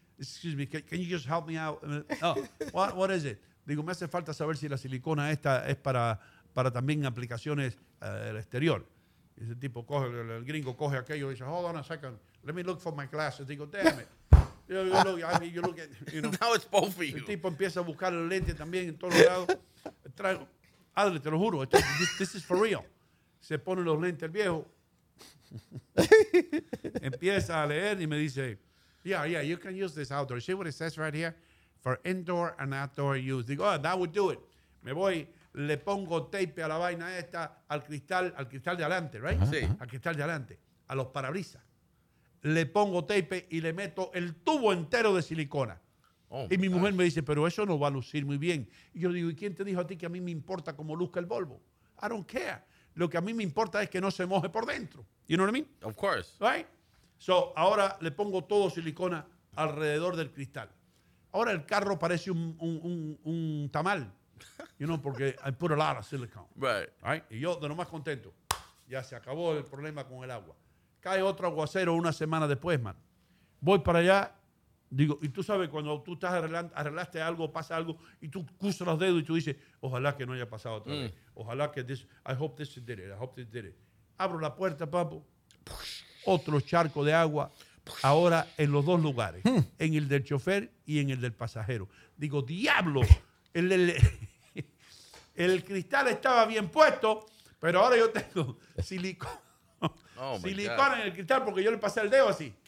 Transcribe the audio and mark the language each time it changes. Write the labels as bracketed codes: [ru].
[en] Excuse me, can you just help me out? Oh, what is it? [es] Digo, me hace falta saber si la silicona esta es para también aplicaciones del exterior. Y ese tipo coge, el gringo coge aquello y dice, [en] hold on a second, let me look for my glasses. [es] Digo, [en] damn it. You look at, now it's both of you. [es] El tipo empieza a buscar el lente también en todos lados. Traigo, Adel, te lo juro, [en] this is for real. [es] Se pone los lentes el viejo. Empieza a leer y me dice, [en] Yeah, you can use this outdoor. See what it says right here? For indoor and outdoor use. [es] Digo, [en] oh, that would do it. [es] Me voy, le pongo tape a la vaina esta, al cristal de adelante, [en] right? [es] Sí. Uh-huh. Al cristal de adelante, a los parabrisas. Le pongo tape y le meto el tubo entero de silicona. Oh, y mi mujer me dice, pero eso no va a lucir muy bien. Y yo digo, ¿y quién te dijo a ti que a mí me importa cómo luzca el Volvo? [en] I don't care. [es] Lo que a mí me importa es que no se moje por dentro. [en] You know what I mean? Of course. Right? [es] So, ahora le pongo todo silicona alrededor del cristal. Ahora el carro parece un tamal. [en] You know, [es] porque [en] I put a lot of silicone. Right. [es] Y yo de lo más contento. Ya se acabó el problema con el agua. Cae otro aguacero una semana después, man. Voy para allá. Digo, y tú sabes, cuando tú estás arreglaste algo, pasa algo, y tú cruzas los dedos y tú dices, ojalá que no haya pasado otra vez. Ojalá que [en] this, I hope this did it, I hope this did it. [es] Abro la puerta, papo. Otro charco de agua, ahora en los dos lugares, en el del chofer y en el del pasajero. Digo, ¡diablo! El cristal estaba bien puesto, pero ahora yo tengo silicona en el cristal porque yo le pasé el dedo así.